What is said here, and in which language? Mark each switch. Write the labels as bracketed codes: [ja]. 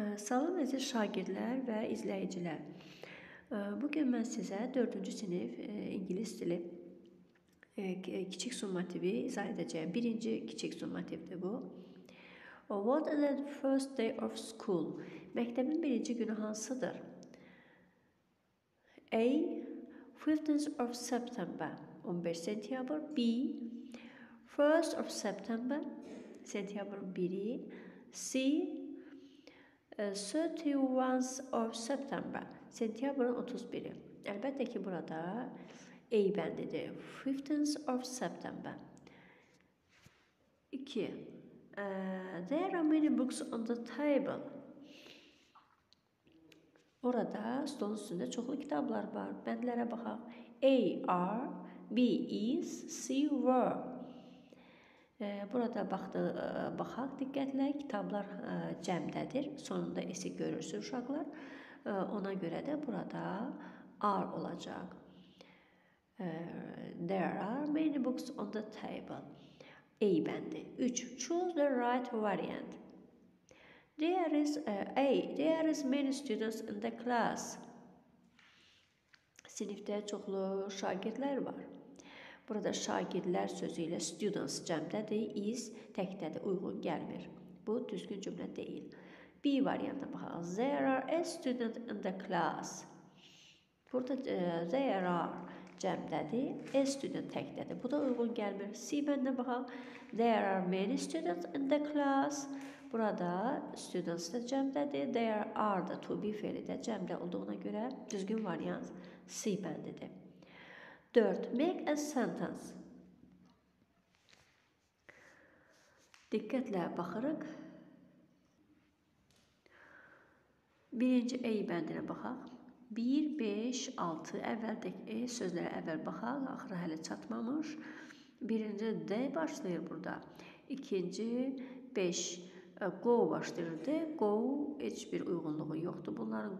[az] Salam əziz şagirdlər və izləyicilər. Bugün mən sizə 4-cü sinif ingilis dili kiçik summativi izah edəcəyəm. Birinci kiçik summativdir bu. [en] What is the first day of school? [az] Məktəbin birinci günü hansıdır? [en] A. 15th of September. [az] 15 sentyabr. [en] B. 1st of September. [az] Sentyabr 1-i. [en] C. 31 of September, [az] sentyabrın 31-i. Əlbəttə ki, burada A bəndidir. [en] 15th of September. 2. There are many books on the table. [az] Orada stolun üstündə çoxlu kitablar var. Bəndlərə baxaq. [en] A are, B is, C were. [az] Burada baxaq diqqətlə, kitablar cəmdədir. Sonunda isə görürsünüz uşaqlar. Ona görə də burada are olacaq. [en] There are many books on the table. [az] A bəndi. [en] 3. Choose the right variant. There is A. There is many students in the class. [az] Sinifdə çoxlu şagirdlər var. Burada şagirdlər sözü ilə students cəmdədir, is təkdədir, uyğun gəlmir. Bu düzgün cümlə deyil. B variantına baxaq. [en] There are a student in the class. [az] Burada there are cəmdədir, a student təkdədir. Bu da uyğun gəlmir. C bəndinə baxaq. [en] There are many students in the class. [az] Burada students da cəmdədir. There are da to be fəli də cəmdə olduğuna görə düzgün variant C bəndidir. 4. [en] Make a sentence. [az] Diqqətlə baxırıq. Birinci A bəndinə baxaq. 1, 5, 6. Əvvəldəki sözlərə əvvəl baxaq. Axıra hələ çatmamış. Birinci D başlayır burada. İkinci 5. Go başlayır. D. Go. Heç bir uyğunluğu yoxdur bunların.